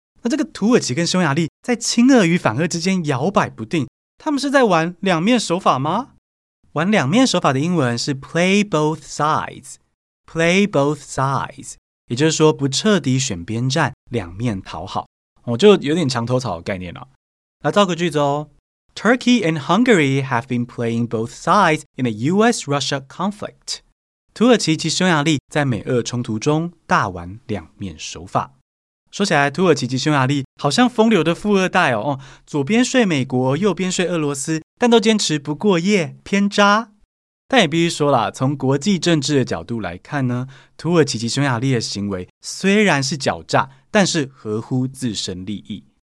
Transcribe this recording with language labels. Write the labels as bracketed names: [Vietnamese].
[Chinese] 那这个土耳其跟匈牙利在亲俄与反俄之间摇摆不定，他们是在玩两面手法吗？玩两面手法的英文是 play both sides。 Play both sides， 也就是说不彻底选边站，两面讨好，我就有点墙头草的概念了。来造个句子哦 [English] ：Turkey and Hungary have been playing both sides in the U.S.-Russia conflict。 [Chinese] 土耳其及匈牙利在美俄冲突中大玩两面手法。说起来，土耳其及匈牙利好像风流的富二代哦，左边睡美国，右边睡俄罗斯，但都坚持不过夜，偏渣。但也必须说啦，从国际政治的角度来看呢，土耳其及匈牙利的行为虽然是狡诈，但是合乎自身利益。